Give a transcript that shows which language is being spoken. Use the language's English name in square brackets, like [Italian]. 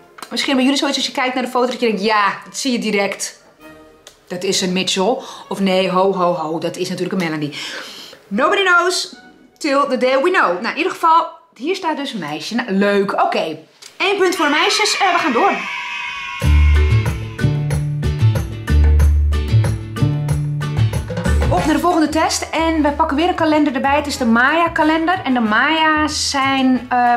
[Dutch] Misschien bij jullie zoiets als je kijkt naar de foto dat je denkt, ja, dat zie je direct. Dat is een Mitchell. Of nee, ho ho ho, dat is natuurlijk een Melanie. [English] Nobody knows till the day we know. [Dutch] Nou, in ieder geval... hier staat dus een meisje. Nou, leuk. Oké. Okay. 1 punt voor de meisjes. We gaan door. Op naar de volgende test. En we pakken weer een kalender erbij. Het is de Maya kalender. En de Maya's zijn...